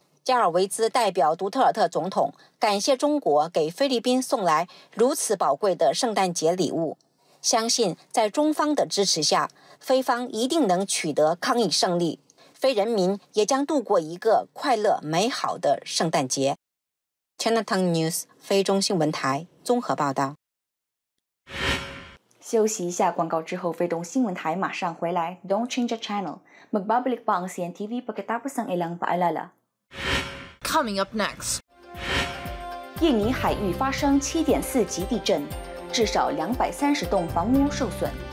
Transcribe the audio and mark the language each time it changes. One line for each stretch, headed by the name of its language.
Chinese: 加尔维兹代表杜特尔特总统感谢中国给菲律宾送来如此宝贵的圣诞节礼物，相信在中方的支持下，非方一定能取得抗疫胜利，非人民也将度过一个快乐美好的圣诞节。 Chinatown News 菲中新闻台综合报道。休息一下广告之后，菲中新闻台马上回来。
English: Don't change the channel.
Filipino: Magbabalik pa ang CNTV pagkatapos ng ilang paalala.
English: Coming up next.
Chinese: 印尼海域发生 7.4 级地震，至少230栋房屋受损。